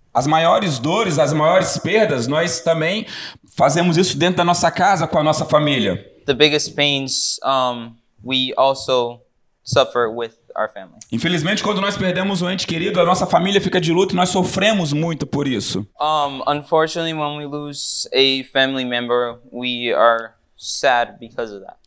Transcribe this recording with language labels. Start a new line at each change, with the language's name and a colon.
Portuguese: As maiores dores, as maiores perdas, nós também fazemos isso dentro da nossa casa com a nossa família.
English: The biggest pains we also suffer with our family.
Portuguese: Infelizmente, quando nós perdemos um ente querido, a nossa família fica de luto e nós sofremos muito por isso.
English: Unfortunately, when we lose a family member, we are sad because of that.